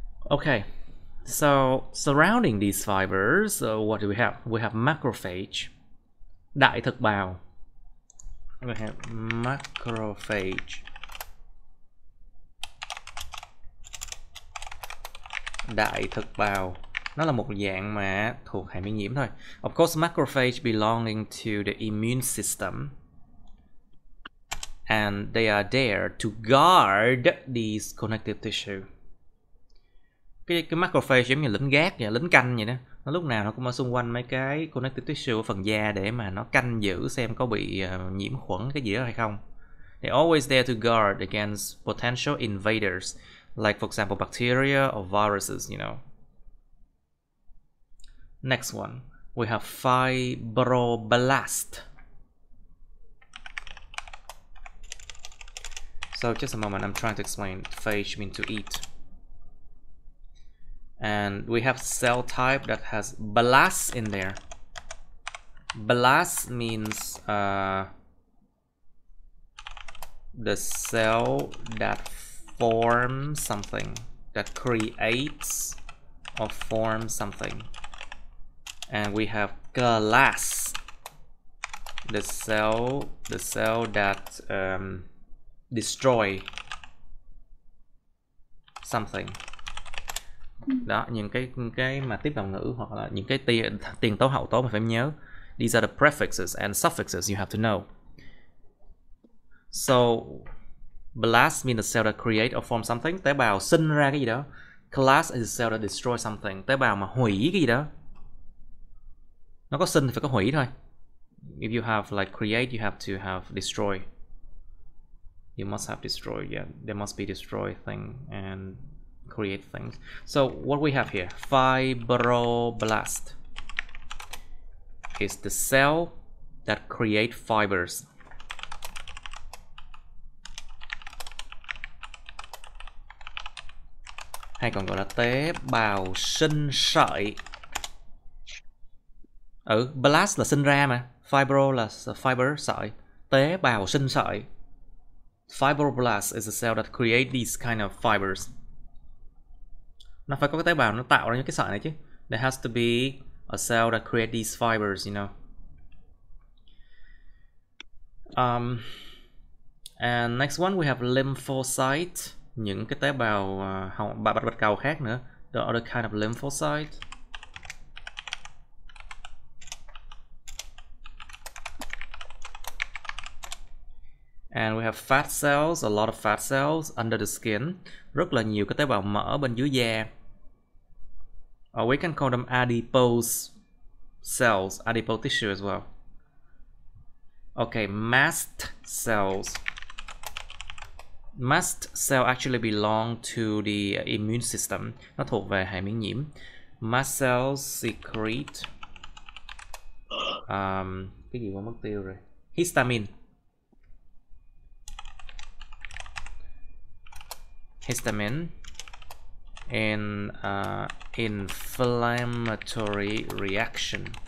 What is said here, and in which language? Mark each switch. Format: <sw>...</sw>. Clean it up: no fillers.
<en>Okay, so surrounding these fibers, what do we have? We have macrophage,</en> <vi>đại thực bào.</vi> <en>We have macrophage.</en> <vi>Đại thực bào, nó là một dạng mà thuộc hệ miễn nhiễm thôi.</vi> <en>Of course, macrophage belonging to the immune system, and they are there to guard these connective tissue.</en> <vi>Cái macrophage giống như lính gác vậy, lính canh vậy đó. Nó lúc nào nó cũng ở xung quanh mấy cái connective tissue ở phần da để mà nó canh giữ xem có bị nhiễm khuẩn cái gì đó hay không.</vi> <en>They always there to guard against potential invaders. Like for example bacteria or viruses, you know. Next one, we have fibroblast. So just a moment, I'm trying to explain. Phage means to eat. And we have cell type that has blast in there. Blast means the cell that form something, that creates or form something. And we have glass, the cell that destroy something.</en> <vi>Đó, những cái mà tiếp vào ngữ hoặc là những cái tiền tố hậu tố mà phải nhớ.</vi> <en>These are the prefixes and suffixes you have to know. So blast means the cell that create or form something.</en> <vi>Tế bào sinh ra cái gì đó.</vi> <en>Class is the cell that destroy something.</en> <vi>Tế bào mà hủy cái gì đó. Nó có sinh thì phải có hủy thôi.</vi> <en>If you have like create, you have to have destroy. You must have destroy, yeah. There must be destroy thing and create things. So what we have here, fibroblast, is the cell that create fibers.</en> <vi>Hay còn gọi là tế bào sinh sợi. Ừ, blast là sinh ra mà, fibro là fiber, sợi, tế bào sinh sợi.</vi> <en>Fibroblast is a cell that create these kind of fibers.</en> <vi>Nó phải có cái tế bào nó tạo ra những cái sợi này chứ.</vi> <en>There has to be a cell that create these fibers, you know. And next one we have lymphocyte,</en> <vi>những cái tế bào bạch cầu khác nữa.</vi> <en>The other kind of lymphocyte. And we have fat cells, a lot of fat cells under the skin.</en> <vi>Rất là nhiều cái tế bào mỡ bên dưới da.</vi> <en>Or we can call them adipose cells, adipose tissue as well. Okay, mast cells. Mast cell actually belong to the immune system.</en> <vi>Nó thuộc về hệ miễn nhiễm.</vi> <en>Mast cells secrete</en> <vi>cái gì quá mất tiêu rồi. Histamine.</vi> <en>Histamine in inflammatory reaction.</en>